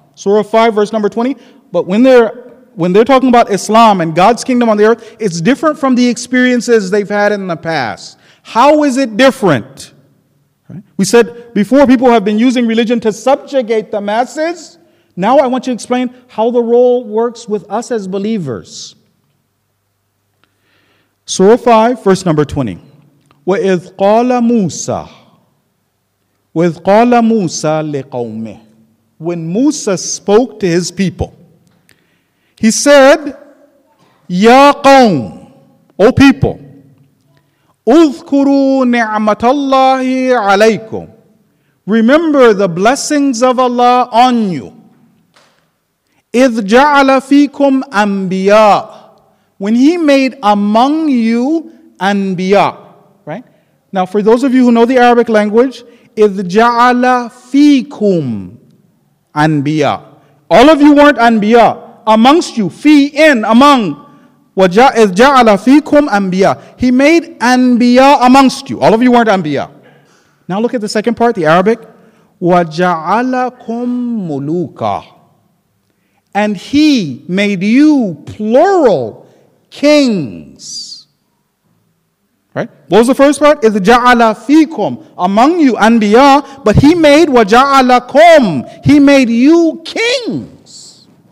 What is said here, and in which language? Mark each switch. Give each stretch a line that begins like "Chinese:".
English: Surah 5, verse number 20, but when they're talking about Islam and God's kingdom on the earth, it's different from the experiences they've had in the past. How is it different? We said before people have been using religion to subjugate the masses. Now I want you to explain how the role works with us as believers. Surah 5, verse number 20.
Arabic: وَإِذْ قَالَ مُوسَى وَإِذْ قَالَ مُوسَى لِقَوْمِهِ
English: When Musa spoke to his people, he said,
Arabic: يَا قَوْمِ
English: O people,
Arabic: اذكروا نعمة الله عليكم.
English: Remember the blessings of Allah on you.
Arabic: إذ جعل فيكم أنبياء.
English: When he made among you أنبياء. Right? Now for those of you who know the Arabic language,
Arabic: إذ جعل فيكم أنبياء.
English: All of you weren't أنبياء. Amongst you, among.
Arabic: وَجَعَلَ جَعَلَ فِيكُمْ أَنْبِيَا
English: He made
Arabic: أَنْبِيَا
English: amongst you. All of you weren't أَنْبِيَا. Now look at the second part, the Arabic.
Arabic: وَجَعَلَكُمْ مُلُوكًا
English: And he made you, plural, kings. Right? What was the first part? Is
Arabic: ja'ala fikum,
English: among you anbiya, but he made
Arabic: wa ja'alakum,
English: he made you kings.